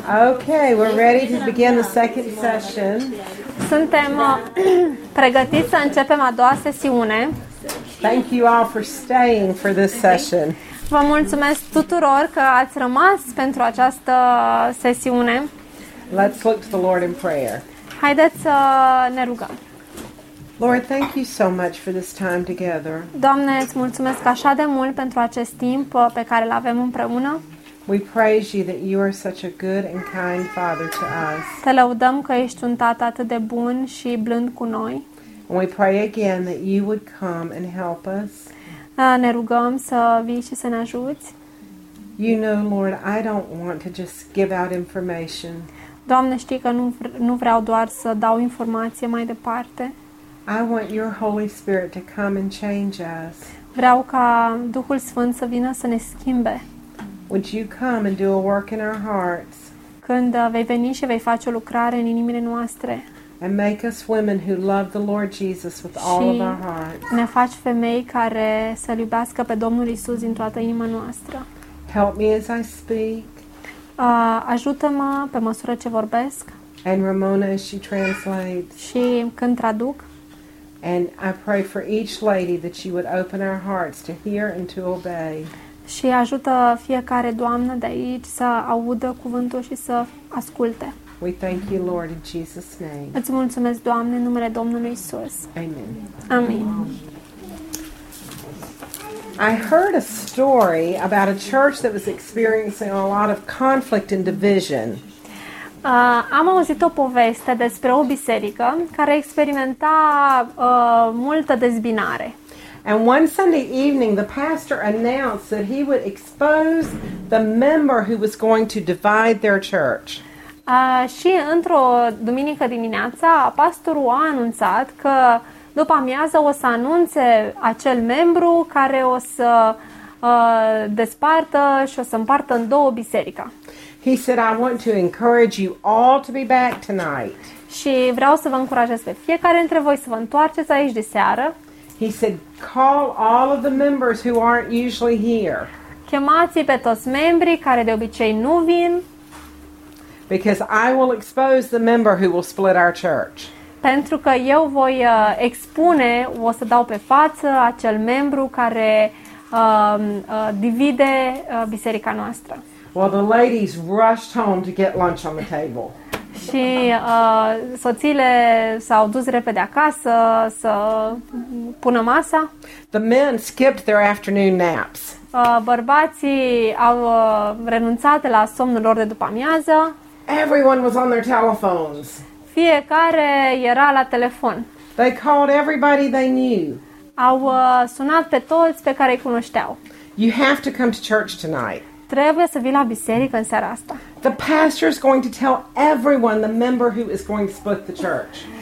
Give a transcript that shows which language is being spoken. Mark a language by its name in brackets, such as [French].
[English] Okay, we're ready to begin the second session. [Romanian] Suntem pregătiți să începem a doua sesiune. [English] Thank you all for staying for this session. [Romanian] Vă mulțumesc tuturor că ați rămas pentru această sesiune. [English] Let's look to the Lord in prayer. [Romanian] Haideți să ne rugăm. [English] Lord, thank you so much for this time together. [Romanian] Doamne, îți mulțumesc așa de mult pentru acest timp pe care l-avem împreună. [English] We praise you that you are such a good and kind father to us. [Romanian] Te lăudăm că ești un tată atât de bun și blând cu noi. [English] And we pray again that you would come and help us. [Romanian] Ne rugăm să vii și să ne ajuți. [English] You know, Lord, I don't want to just give out information. [Romanian] Doamne, știi că nu vreau doar să dau informație mai departe. [English] I want your Holy Spirit to come and change us. [Romanian] Vreau ca Duhul Sfânt să vină să ne schimbe. [English] Would you come and do a work in our hearts? [Romanian] Când vei veni și vei face o lucrare în inimile noastre. [English] And make us women who love the Lord Jesus with all of our hearts. [Romanian] Ne faci femei care să iubească pe Domnul Isus din toată inima noastră. [English] Help me as I speak. [Romanian] Ajută-mă pe măsură ce vorbesc. [English] And Ramona as she translates. [Romanian] Și când traduc. [English] And I pray for each lady that you would open our hearts to hear and to obey. [Romanian] Și ajută fiecare doamnă de aici să audă cuvântul și să asculte. [English] We thank you, Lord, in Jesus' name. [Romanian] Îți mulțumesc, Doamne, în numele Domnului Isus. [English] Amen. [Romanian] Amen. [English] I heard a story about a church that was experiencing a lot of conflict and division. [Romanian] Am auzit o poveste despre o biserică care experimenta multă dezbinare. [English] And one Sunday evening, the pastor announced that he would expose the member who was going to divide their church. [Romanian] Și într-o duminică dimineața, pastorul a anunțat că după amiază o să anunțe acel membru care o să despartă și o să împartă în două biserica. [English] He said, I want to encourage you all to be back tonight. [Romanian] Și vreau să vă încurajez pe fiecare dintre voi să vă întoarceți aici de seară. [English] He said, call all of the members who aren't usually here. [Romanian] Chemați pe toți membrii care de obicei nu vin. [English] Because I will expose the member who will split our church. [Romanian] Pentru că eu voi expune, o să dau pe față acel membru care divide biserica noastră. [English] Well, the ladies rushed home to get lunch on the table. [Romanian] Și soțiile s-au dus repede acasă să pună masa. [English] The men skipped their afternoon naps. [Romanian] Bărbații au renunțat la somnul lor de după amiază. [English] Everyone was on their telephones. [Romanian] Fiecare era la telefon. [English] They called everybody they knew. [Romanian] Au sunat pe toți pe care îi cunoșteau. [English] You have to come to church tonight. [Romanian] Trebuie să vii la biserică în seara asta. [English] The pastor is going to tell everyone the member who is going to split the church.